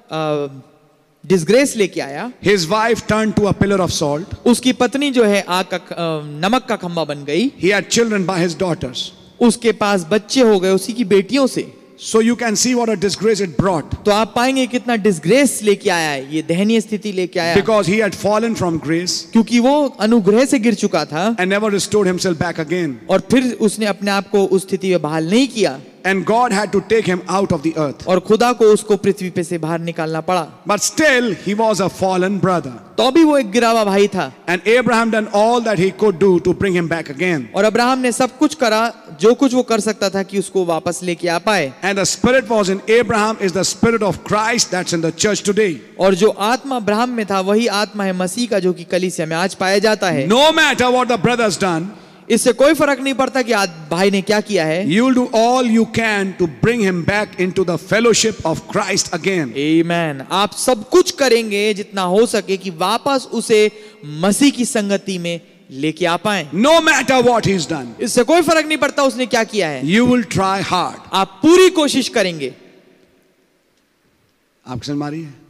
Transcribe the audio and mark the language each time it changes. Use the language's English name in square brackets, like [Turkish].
[Hindi] वो और disgrace लेके आया. [English] His wife turned to a pillar of salt. [Hindi] उसकी पत्नी जो है आग का नमक का खंबा बन गई. [English] He had children by his daughters. [Hindi] उसके पास बच्चे हो गए उसी की बेटियों से. [English] So you can see what a disgrace it brought. [Hindi] तो आप पाएंगे कितना disgrace लेके आया है, ये दयनीय स्थिति लेके आया. [English] Because he had fallen from grace. [Hindi] क्योंकि वो अनुग्रह से गिर चुका था. [English] And never restored himself back again. [Hindi] और फिर उसने अपने आप को उस स्थिति में बहाल नहीं किया. [English] And God had to take him out of the earth. [Hindi] और खुदा को उसको पृथ्वी पे से बाहर निकालना पड़ा. [English] But still he was a fallen brother. [Hindi] तो भी वो एक गिरावा भाई था. [English] And Abraham done all that he could do to bring him back again. [Hindi] और अब्राहम ने सब कुछ करा जो कुछ वो कर सकता था कि उसको वापस लेके आ पाए. [English] And the spirit was in Abraham is the spirit of Christ that's in the church today. [Hindi] और जो आत्मा अब्राहम में था वही आत्मा है मसीह का जो कि कलीसिया में आज पाया जाता है. [English] No matter what the brothers done. [Hindi] इससे कोई फर्क नहीं पड़ता कि आज भाई ने क्या किया है. [English] You will do all you can to bring him back into the fellowship of Christ again. Amen. [Hindi] आप सब कुछ करेंगे जितना हो सके कि वापस उसे मसीह की संगति में लेके आ पाएं. [English] No matter what he's done. [Hindi] इससे कोई फर्क नहीं पड़ता उसने क्या किया है. [English] You will try hard. [Hindi] आप पूरी कोशिश करेंगे. आप किसने मारी है?